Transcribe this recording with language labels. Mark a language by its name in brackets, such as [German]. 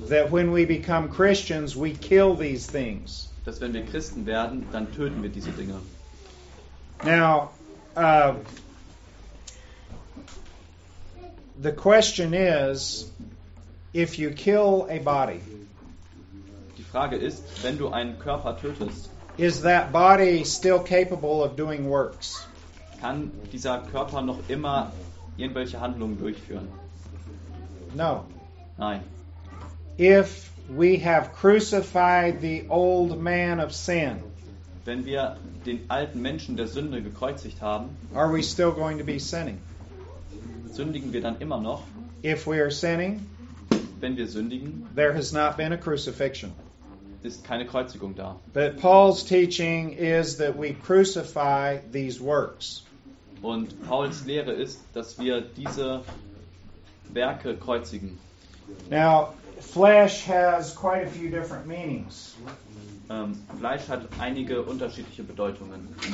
[English] That when we become Christians, we kill these things. [German] Dass wenn wir Christen werden, dann töten wir diese Dinge. [English] Now, the question is, if you kill a body, [German] die Frage ist, wenn du einen Körper tötest, [English] is that body still capable of doing works? [German] kann dieser Körper noch immer irgendwelche Handlungen durchführen? [English] No. [German] Nein. [English] If we have crucified the old man of sin, [German] wenn wir den alten Menschen der Sünde gekreuzigt haben, [English] are we still going to be sinning? [German] Sündigen wir dann immer noch? [English] If we are sinning, [German] wenn wir sündigen, [English] there has not been a crucifixion. [German] Ist keine Kreuzigung da. [English] But Paul's teaching is that we crucify these works. [German] Und Pauls Lehre ist, dass wir diese Werke kreuzigen. [English] Now, flesh has quite a few different meanings. [German] Fleisch hat einige unterschiedliche Bedeutungen.